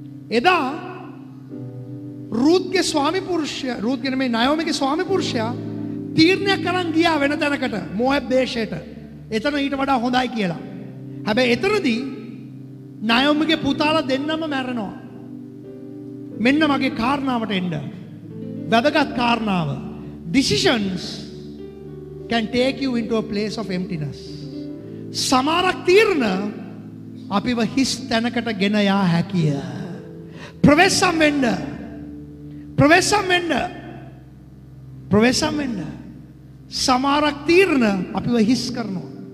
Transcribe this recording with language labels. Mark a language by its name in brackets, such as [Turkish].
[Sinhala] එදා රූත්ගේ ස්වාමි පුරුෂයා රූත්ගේ නෙමෙයි නයෝමිගේ ස්වාමි පුරුෂයා තීරණයක් කරන් ගියා වෙන තැනකට මොහොබ් දේශයට. එතන ඊට වඩා හොඳයි කියලා. හැබැයි එතනදී නයෝමිගේ පුතාලා දෙන්නම මැරෙනවා. මෙන්න මගේ කාරණාවට එන්න. වැදගත් කාරණාව. [English] Decisions can take you into a place of emptiness. [Sinhala] සමාරක් තීරණ අපිව හිස් තැනකට ගෙන යා හැකිය. ප්‍රවේශම් වෙන්න. ප්‍රවේශම් වෙන්න. ප්‍රවේශම් වෙන්න. සමාරක් තීරණ අපිව හිස් කරනවා.